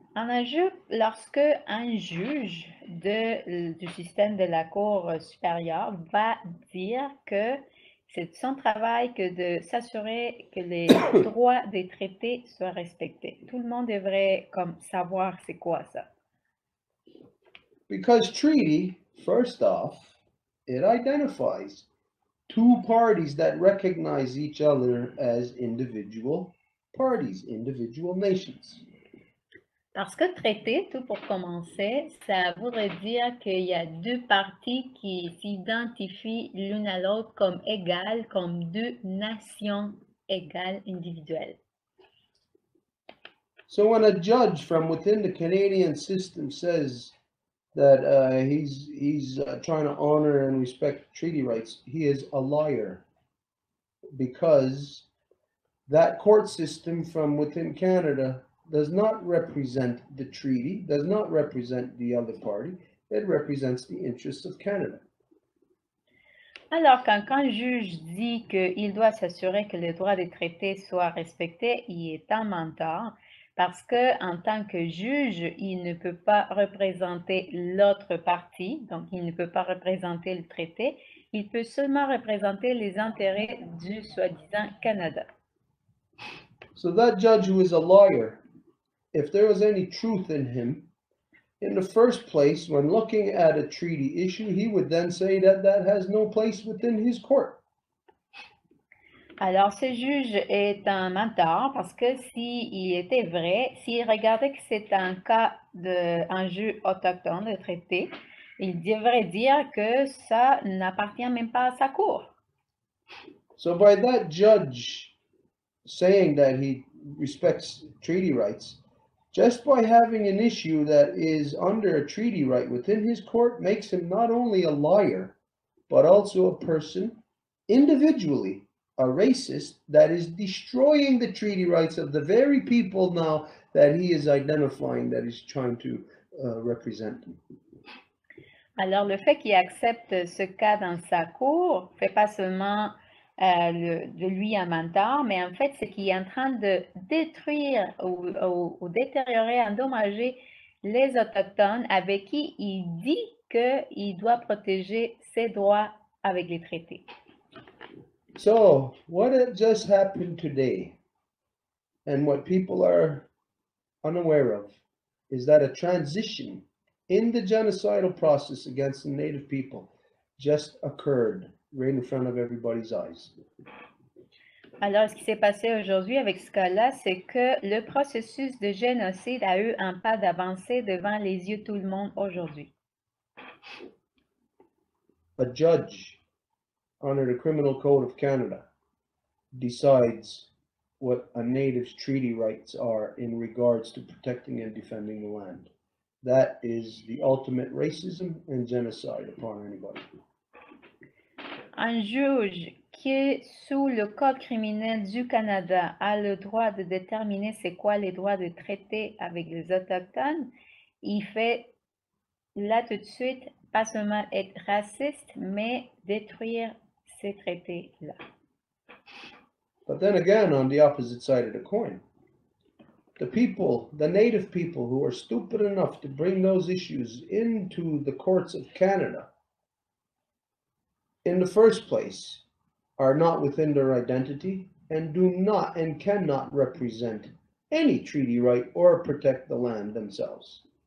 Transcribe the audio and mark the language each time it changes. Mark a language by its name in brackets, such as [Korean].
[French] Un enjeu lorsque un juge du système de la Cour supérieure va dire que c'est son travail que de s'assurer que les droits des traités soient respectés. Tout le monde devrait comme savoir c'est quoi ça. [English] Because treaty, first off, it identifies two parties that recognize each other as individual parties, individual nations. [French] Parce que traité, tout pour commencer, ça voudrait dire qu'il y a deux parties qui s'identifient l'une à l'autre comme égales, comme deux nations égales individuelles. [English] So when a judge from within the Canadian system says that he's trying to honor and respect treaty rights, he is a liar, because that court system from within Canada does not represent the treaty, does not represent the other party, it represents the interests of Canada. [French] Alors, quand un juge dit qu'il doit s'assurer que les droits des traités soient respectés, il est un menteur. Parce que en tant que juge, il ne peut pas représenter l'autre partie, donc il ne peut pas représenter le traité, il peut seulement représenter les intérêts du soi-disant Canada. [English] So that judge who is a lawyer, if there was any truth in him, in the first place, when looking at a treaty issue, he would then say that that has no place within his court. [French] Alors, ce juge est un menteur parce que s'il était vrai, s'il regardait que c'est un cas d'un jeu autochtone, de traité, il devrait dire que ça n'appartient même pas à sa cour. [English] So by that judge saying that he respects treaty rights, just by having an issue that is under a treaty right within his court makes him not only a liar, but also a person individually a racist that is destroying the treaty rights of the very people now that he is identifying, that he's trying to represent. [French] Alors, le fait qu'il accepte ce cas dans sa cour fait pas seulement de lui un menteur, mais en fait, c'est qu'il est en train de détruire ou détériorer, endommager les Autochtones avec qui il dit qu'il doit protéger ses droits avec les traités. [English] So, what had just happened today, and what people are unaware of, is that a transition in the genocidal process against the native people just occurred right in front of everybody's eyes. [French] Alors, ce qui s'est passé aujourd'hui avec ce cas-là, c'est que le processus de génocide a eu un pas d'avancée devant les yeux de tout le monde aujourd'hui. [English] A judge under the Criminal Code of Canada decides what a native's treaty rights are in regards to protecting and defending the land. That is the ultimate racism and genocide upon anybody. [French] Un juge qui est sous le code criminel du Canada a le droit de déterminer c'est quoi les droits de traité avec les autochtones. Il fait là tout de suite pas seulement être raciste, mais détruire ces traités-là. [English] But then again, on the opposite side of the coin, the people, the native people who are stupid enough to bring those issues into the courts of Canada in the first place are not within their identity and do not and cannot represent any treaty right or protect the land themselves.